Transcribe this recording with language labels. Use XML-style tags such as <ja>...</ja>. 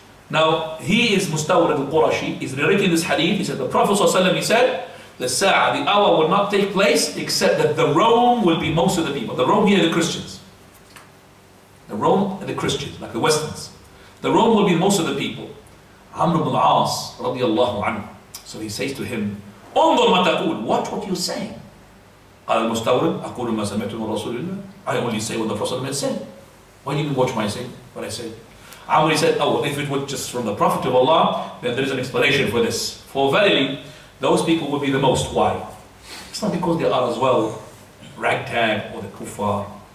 <en>Now, he is Mustawrid al-Qurashi, he's narrating this hadith, he said, the Prophet ﷺ, he said, the sa'ah, the hour will not take place except that the Rome will be most of the people. The Rome here, the Christians. The Rome and the Christians, like the Westerns. The Rome will be most of the people. Amr ibn al-As radiallahu anhu. So he says to him,</en> <ar>انظر ما تقول,</ar> <en>watch what you're saying.</en> <ar>قال المستورد, أقول ما سمعت من رسول الله.</ar> <en>I only say what the Prophet had said. Why didn't you watch my saying? What I say? Amr said, oh, if it was just from the Prophet of Allah, then there is an explanation for this. For verily, those people will be the most. Why? It's not because they are as well ragtag or the kuffar.</en>